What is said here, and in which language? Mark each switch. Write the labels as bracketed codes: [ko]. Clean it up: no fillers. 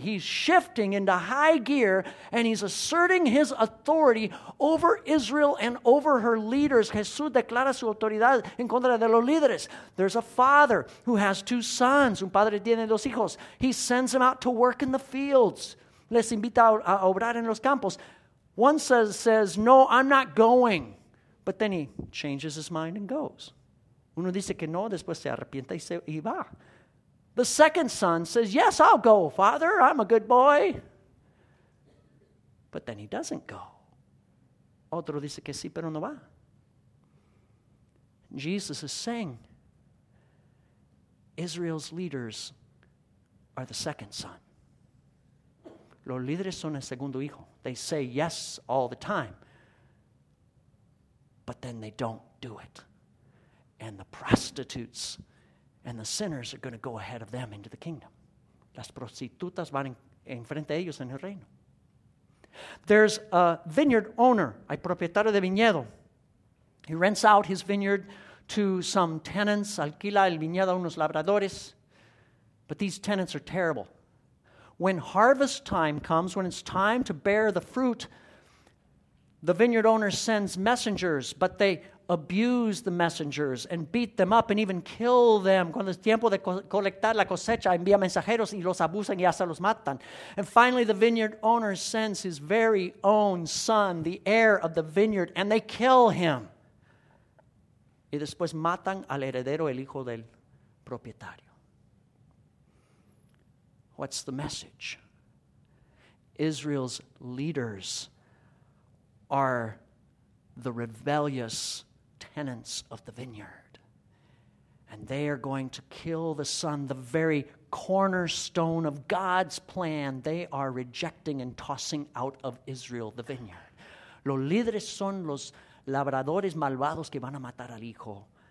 [en] He's shifting into high gear, and he's asserting his authority over Israel and over her leaders. [es] Jesús declara su autoridad en contra de los líderes. [en] There's a father who has two sons. [es] Un padre tiene dos hijos. [en] He sends them out to work in the fields. [es] Les invita a obrar en los campos. [en] One says, no, I'm not going. But then he changes his mind and goes. [es] Uno dice que no, después se arrepiente y se y va. [en] The second son says, yes, I'll go, Father, I'm a good boy. But then he doesn't go. [es] Otro dice que sí, pero no va. [en] Jesus is saying, Israel's leaders are the second son. [es] Los líderes son el segundo hijo. [en] They say yes all the time, but then they don't do it. And the prostitutes and the sinners are going to go ahead of them into the kingdom. [es] Las prostitutas van en frente de ellos en el reino. [en] There's a vineyard owner, [es] hay propietario de viñedo. [en] He rents out his vineyard to some tenants, [es] alquila el viñedo a unos labradores. [en] But these tenants are terrible. When harvest time comes, when it's time to bear the fruit, the vineyard owner sends messengers, but they abuse the messengers and beat them up and even kill them. [es] Cuando es tiempo de colectar la cosecha, envía mensajeros y los abusan y hasta los matan. [en] And finally, the vineyard owner sends his very own son, the heir of the vineyard, and they kill him. [es] Y después matan al heredero, el hijo del propietario. [en] What's the message? Israel's leaders are the rebellious tenants of the vineyard. And they are going to kill the son, the very cornerstone of God's plan. They are rejecting and tossing out of Israel the vineyard. [es] Los líderes son los labradores malvados que van a matar al hijo.